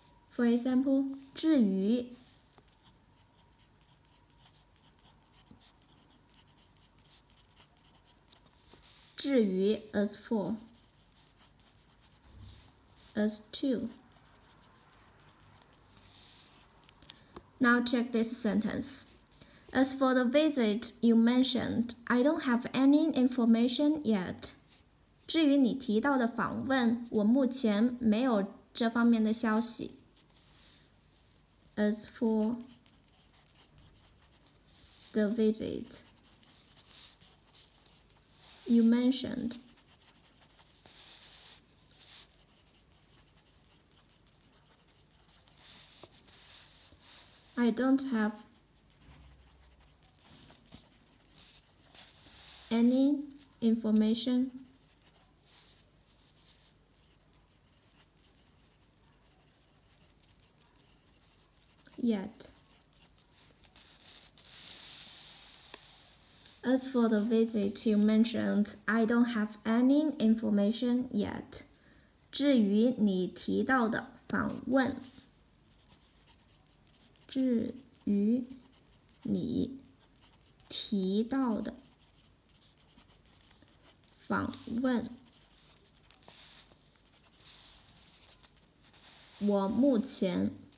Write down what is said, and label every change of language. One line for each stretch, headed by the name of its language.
English: For example, 至于 至于 as for, as to. Now check this sentence. As for the visit you mentioned, I don't have any information yet.
Chinese: 至于你提到的访问，我目前没有这方面的消息。
English: As for the visit you mentioned, I don't have any information yet. As for the visit you mentioned, I don't have any information yet.
Chinese: 至于你提到的访问，至于你提到的访问，我目前